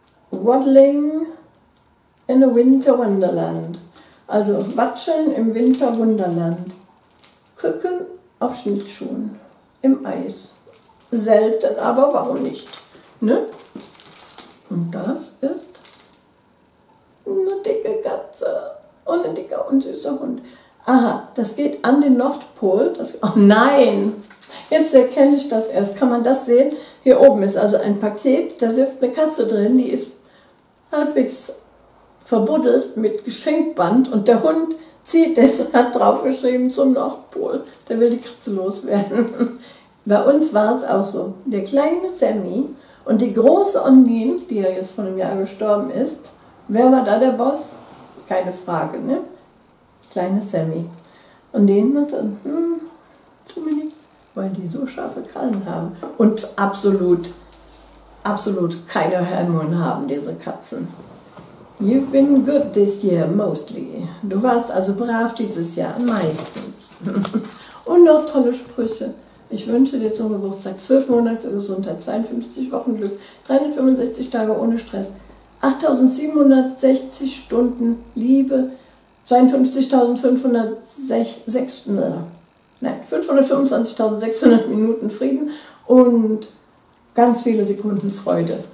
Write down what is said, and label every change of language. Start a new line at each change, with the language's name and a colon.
English: Waddling in a winter wonderland.
German: Also watscheln im Winter Wunderland. Küken auf Schlittschuhen im Eis. Selten, aber warum nicht? Ne? Und das ist eine dicke Katze und ein dicker und süßer Hund. Aha, das geht an den Nordpol. Oh nein! Jetzt erkenne ich das erst. Kann man das sehen? Hier oben ist also ein Paket. Da sitzt eine Katze drin, die ist halbwegs verbuddelt mit Geschenkband und der Hund zieht, der hat draufgeschrieben zum Nordpol. Der will die Katze loswerden. Bei uns war es auch so. Der kleine Sammy und die große Ondine, die ja jetzt vor einem Jahr gestorben ist. Wer war da der Boss? Keine Frage, ne? Kleine Sammy. Und den hat dann, tut mir nichts, weil die so scharfe Krallen haben. Und absolut, absolut keine Hormone haben, diese Katzen.
English: You've been good this year, mostly.
German: Du warst also brav dieses Jahr, meistens. Und noch tolle Sprüche. Ich wünsche dir zum Geburtstag 12 Monate Gesundheit, 52 Wochen Glück, 365 Tage ohne Stress, 8760 Stunden Liebe, 525.600 Minuten Frieden und ganz viele Sekunden Freude.